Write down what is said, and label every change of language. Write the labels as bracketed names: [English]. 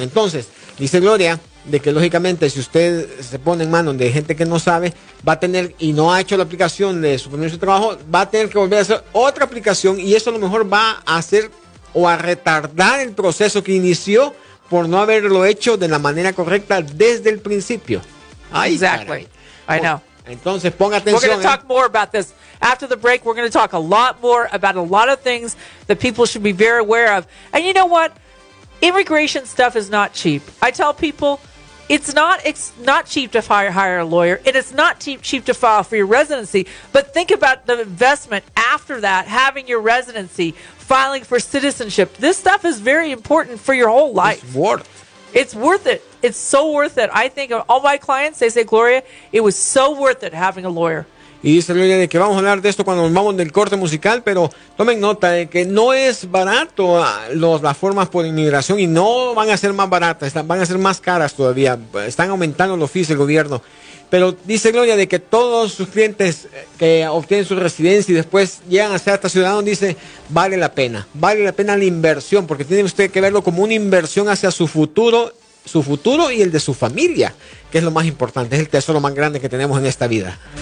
[Spanish] Entonces, dice Gloria, de que lógicamente si usted se pone en manos de gente que no sabe, va a tener y no ha hecho la aplicación de su permiso de trabajo, va a tener que volver a hacer otra aplicación, y eso a lo mejor va a hacer o a retardar el proceso que inició por no haberlo hecho de la manera correcta desde el principio. [English] Ay, exactly. Caray. I know. [Spanish] Entonces, ponga atención. [English] We're going to talk more about this. After the break, we're going to talk a lot more about a lot of things that people should be very aware of. And you know what? Immigration stuff is not cheap. I tell people, it's not cheap to hire a lawyer, and it's not cheap to file for your residency. But think about the investment after that, having your residency, filing for citizenship. This stuff is very important for your whole life. It's worth it. It's so worth it. I think of all my clients, they say, Gloria, it was so worth it having a lawyer. [Spanish] Y dice Gloria de que vamos a hablar de esto cuando nos vamos del corte musical, pero tomen nota de que no es barato las formas por inmigración, y no van a ser más baratas, van a ser más caras todavía. Están aumentando los fees del gobierno. Pero dice Gloria de que todos sus clientes que obtienen su residencia y después llegan a ser hasta ciudadanos, dice, vale la pena la inversión, porque tiene usted que verlo como una inversión hacia su futuro y el de su familia, que es lo más importante, es el tesoro más grande que tenemos en esta vida.